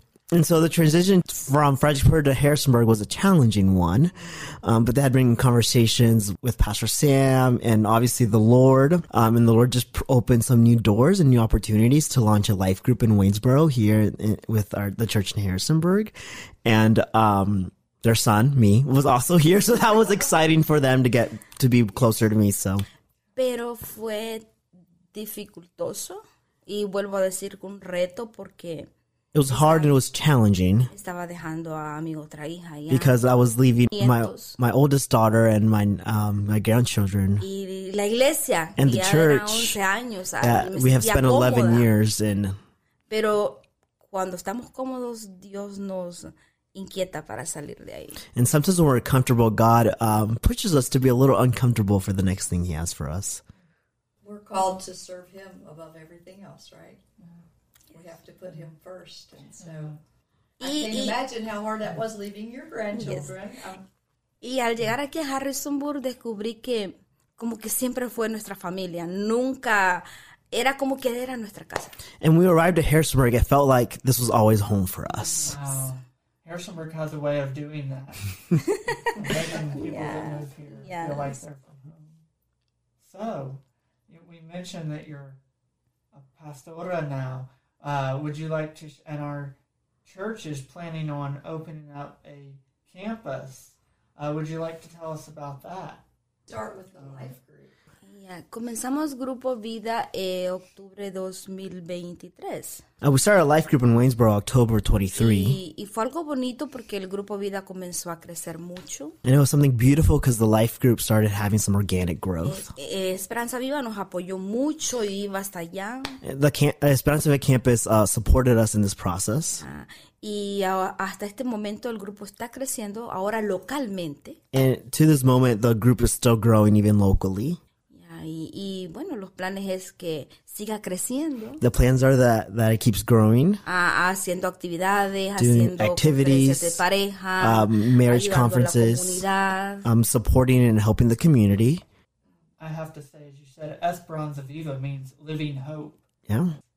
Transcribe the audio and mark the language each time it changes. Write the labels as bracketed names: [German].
[English] And so the transition from Fredericksburg to Harrisonburg was a challenging one, but they had been in conversations with Pastor Sam and obviously the Lord, and the Lord just opened some new doors and new opportunities to launch a life group in Waynesboro here with the church in Harrisonburg, and their son, me, was also here, so that was exciting for them to get to be closer to me, so. [Spanish] Pero fue dificultoso, y vuelvo a decir un reto porque... [English] It was hard and it was challenging. [Spanish] Estaba dejando a mi otra hija ya. [English] Because I was leaving my oldest daughter and my grandchildren. [Spanish] Y la iglesia, [English] and the church. We have spent 11 years in. [Spanish] Pero cuando estamos cómodos, Dios nos inquieta para salir de ahí. [English] And sometimes when we're comfortable, God pushes us to be a little uncomfortable for the next thing he has for us. We're called to serve him above everything else, right? Have to put him first, and so I can imagine how hard that was leaving your grandchildren. [Spanish] Yes. Y al llegar aquí a Harrisonburg descubrí que como que siempre fue nuestra familia, nunca era como que era nuestra casa. [English] And we arrived at Harrisonburg, it felt like this was always home for us. Wow, Harrisonburg has a way of doing that. Making people yeah. that live here yes. feel like they're from home. So we mentioned that you're a pastora now. Would you like to, and our church is planning on opening up a campus. Would you like to tell us about that? Start with the life group. [Spanish] Yeah, comenzamos Grupo Vida octubre 2023. [English] We started a life group in Waynesboro October 23. [Spanish] Y fue algo bonito porque el Grupo Vida comenzó a crecer mucho. [English] And it was something beautiful because the life group started having some organic growth. [Spanish] Esperanza Viva nos apoyó mucho y iba hasta allá. [English] Esperanza Viva Campus supported us in this process. [Spanish] Hasta este momento el grupo está creciendo, ahora localmente. [English] And to this moment the group is still growing even locally. [Spanish] Y bueno, los planes es que siga creciendo. [English] The plans are that it keeps growing. [Spanish] Haciendo actividades, haciendo [English] activities, [Spanish] de pareja, [English] marriage conferences, supporting and helping the community. I have to say, as you said, Esperanza Viva means living hope. Yeah.